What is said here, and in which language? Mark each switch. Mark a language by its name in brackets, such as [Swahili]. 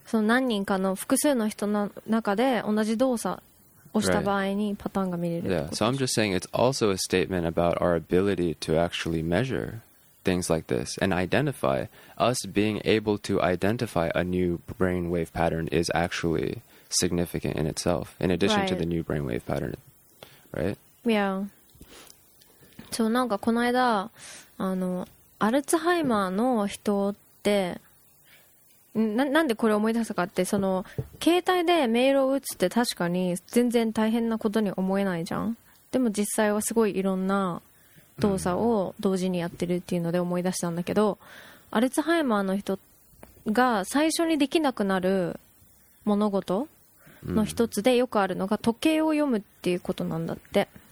[Japanese] その何人かの複数の人の中で同じ動作をした場合にパターンが見れるってことでしょ。 [English] Yeah, so I'm just saying it's also a statement about our ability to actually measure. Things like this and identify us being able to identify a new brainwave pattern is actually significant in itself, in addition to the new brainwave pattern, right? Yeah. [Japanese] So, なんかこの間、あのアルツハイマーの人って、なんでこれを思い出したかって、その携帯でメールを打つって確かに全然大変なことに思えないじゃん。でも実際はすごいいろんな動作を同時にやってるっていうので思い出したんだけど、アルツハイマーの人が最初にできなくなる物事の一つでよくあるのが時計を読むっていうことなんだって。